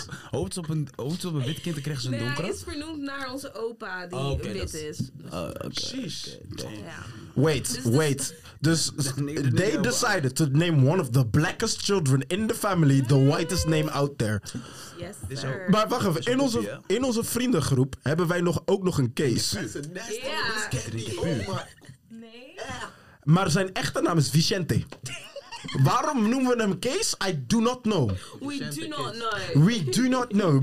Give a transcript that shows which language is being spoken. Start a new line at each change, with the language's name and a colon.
Dutch: Hoopt ze op een wit kind, dan krijgen ze een donker. Nee, hij is vernoemd naar onze opa die okay, wit is. Precies.
English: Wait.
Dutch: Dus
English: they decided to name one of the blackest children in the family the whitest name out there. Yes, sir.
Dutch: Maar wacht even, in onze vriendengroep hebben wij ook nog een case. Nee. Maar zijn echte naam is Vicente. Waarom noemen we hem Kees?
English: I do not know. We do not know.